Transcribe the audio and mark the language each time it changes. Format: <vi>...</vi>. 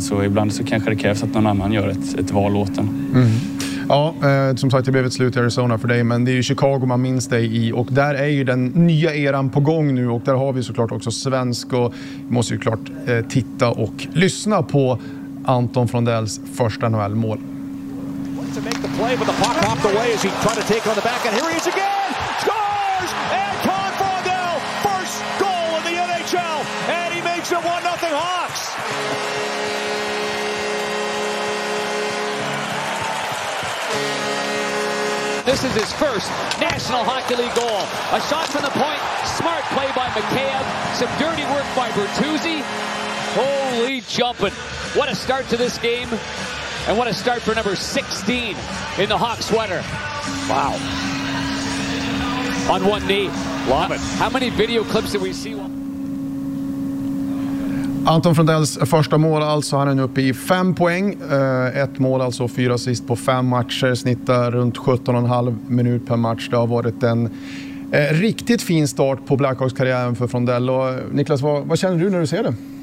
<sv>Så ibland så kanske det krävs att någon annan gör ett val åt en. Ja, som sagt, det blev ett slut i Arizona för dig, men det är ju Chicago man minns dig i, och där är ju den nya eran på gång nu, och där har vi såklart också svensk, och vi måste ju klart titta och lyssna på Anton Frondells första NHL-mål.</sv> <en>To make the play, but the puck popped away as he tried to take it on the back, and here he is again! Scores! Anton Frondell! First goal in the NHL! And he makes it 1-0 Hawks! This is his first National Hockey League goal. A shot from the point, smart play by McKayev, some dirty work by Bertuzzi. Holy jumping! What a start to this game! And what a start for number 16 in the Hawks sweater. Wow. On one knee. Love it. How many video clips did we see?</en> <sv>Anton Frondells första mål alltså, han är nu uppe i 5 poäng. Ett mål alltså, 4 assist på 5 matcher. Snittar runt 17,5 minut per match. Det har varit en riktigt fin start på Blackhawks-karriären för Frondell. Och, Niklas, vad känner du när du ser det?</sv>